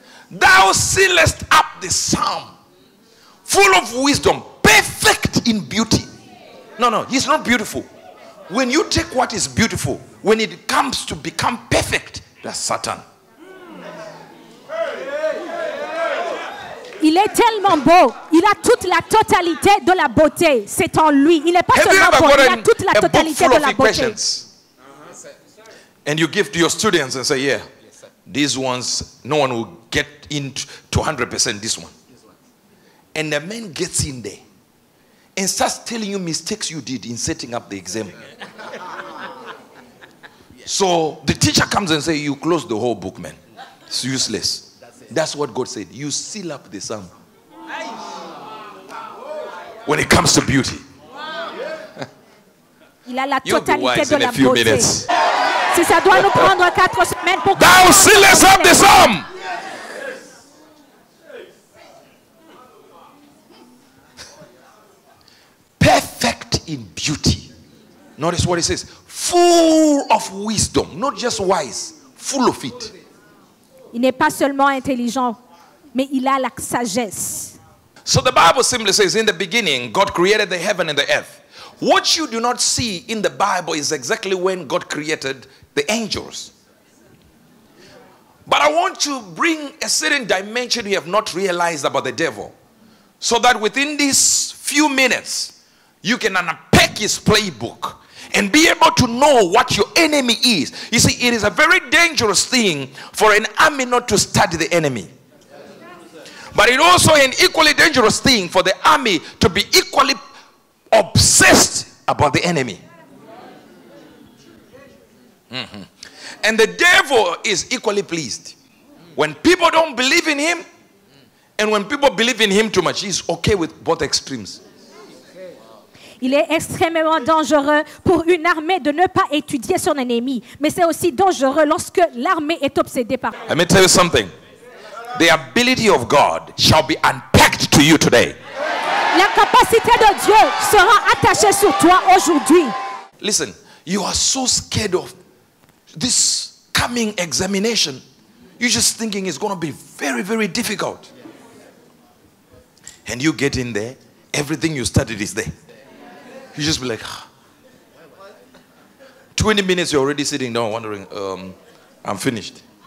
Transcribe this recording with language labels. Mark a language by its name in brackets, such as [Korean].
[English] Thou sealest up the psalm. Full of wisdom, perfect in beauty. No, he's not beautiful. When you take what is beautiful, when it comes to become perfect, that's Satan. [French] Il est tellement beau. Il a toute la totalité de la beauté. C'est en lui. Il n'est pas seulement beau. Il a toute la totalité de la beauté. [English] And you give to your students and say, yeah, these ones, no one will get into 100% this one. And the man gets in there and starts telling you mistakes you did in setting up the exam. So the teacher comes and says, you close the whole book, man. It's useless. That's what God said. You seal up the sum. When it comes to beauty. You'll be wise in a few minutes. Thou sealest up the sum. Perfect in beauty. Notice what it says. Full of wisdom. Not just wise. Full of it. [French] Il n'est pas seulement intelligent, mais il a la sagesse. [English] So the Bible simply says, in the beginning, God created the heaven and the earth. What you do not see in the Bible is exactly when God created the angels. But I want to bring a certain dimension you have not realized about the devil. So that within these few minutes, you can unpack his playbook and be able to know what your enemy is. You see, it is a very dangerous thing for an army not to study the enemy. But it also an equally dangerous thing for the army to be equally obsessed about the enemy. Mm-hmm. And the devil is equally pleased. When people don't believe in him, and when people believe in him too much, he's okay with both extremes. [French] Il est extrêmement dangereux pour une armée de ne pas étudier son ennemi. Mais c'est aussi dangereux lorsque l'armée est obsédée par... [English] Let me tell you something. The ability of God shall be unpacked to you today. [French] La capacité de Dieu sera attachée sur toi aujourd'hui. [English] Listen, you are so scared of this coming examination. You're just thinking it's going to be very, very difficult. And you get in there, everything you studied is there. You just be like, 20 minutes you're already sitting down wondering, I'm finished.